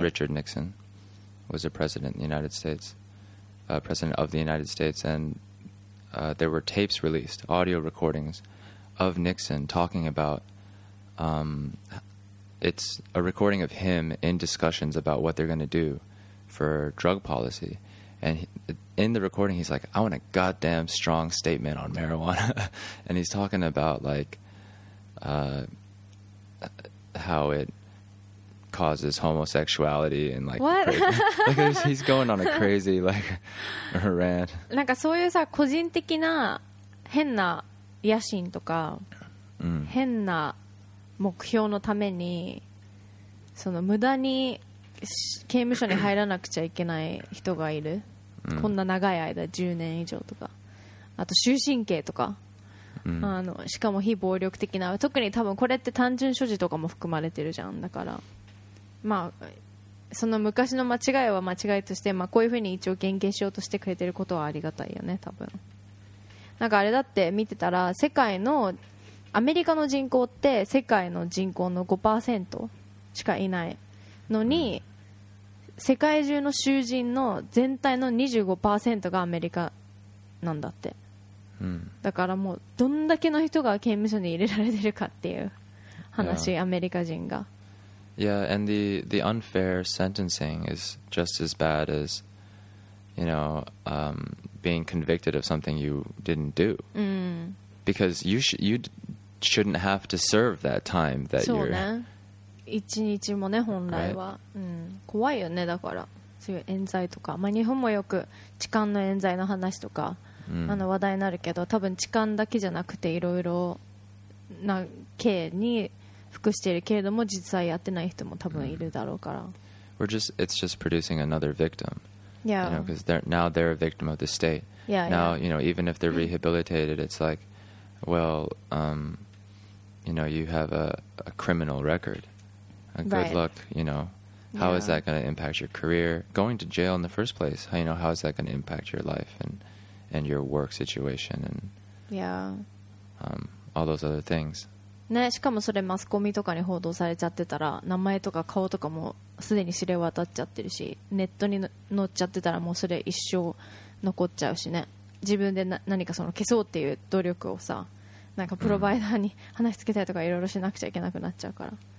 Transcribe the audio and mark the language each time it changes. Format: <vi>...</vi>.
<en>Richard Nixon was a president in the United States, president of the United States, and there were tapes released, audio recordings of Nixon talking about, It's a recording of him in discussions about what they're going to do for drug policy. And in the recording, he's like, I want a goddamn strong statement on marijuana. And he's talking about, like, how it causes homosexuality and, like, what? Like, he's going on a crazy, like, rant.</en> <ja>なんかそういうさ、個人的な変な野心とか、変な目標のためにその無駄に刑務所に入らなくちゃいけない人がいる、こんな長い間10年以上とか、あと終身刑とか、しかも非暴力的な、特に多分これって単純所持とかも含まれてるじゃん、だからまあその昔の間違いは間違いとして、まあ、こういうふうに一応減刑しようとしてくれてることはありがたいよね。多分なんかあれだって見てたら、世界のアメリカの人口って世界の人口の 5% しかいないのに、世界中の囚人の全体の 25% がアメリカなんだって。だからもうどんだけの人が刑務所に入れられてるかっていう話、アメリカ人が。</ja> <en>Yeah, and the unfair sentencing is just as bad as, you know, being convicted of something you didn't do. Mm. Because you shouldn't have to serve that time that</en> <ja>そうね。</ja> <en>you're...</en> <ja>一日もね、本来は。</ja> <en>Right.</en> <ja>うん、怖いよね、だから。そういう冤罪とか。まあ、日本もよく痴漢の冤罪の話とか、 mm. あの話題になるけど、多分痴漢だけじゃなくていろいろな刑に服しているけれども、実際やってない人も多分いるだろうから。</ja> <en>Mm. We're just, it's just producing another victim. Yeah. You know, because they're, now they're a victim of the state. Yeah, now, yeah. you know, even if they're rehabilitated, it's like, well, you know, you have a criminal record. Good right. luck, you know. How yeah. is that going to impact your career? Going to jail in the first place, you know, how is that going to impact your life and your work situation and yeah. All those other things.</en> <ja>ね、しかもそれマスコミとかに報道されちゃってたら、名前とか顔とかもすでに知れ渡っちゃってるし、ネットに載っちゃってたらもうそれ一生残っちゃうしね。自分で何かその消そうっていう努力をさ、なんかプロバイダーに話しつけたりとかいろいろしなくちゃいけなくなっちゃうから。</ja>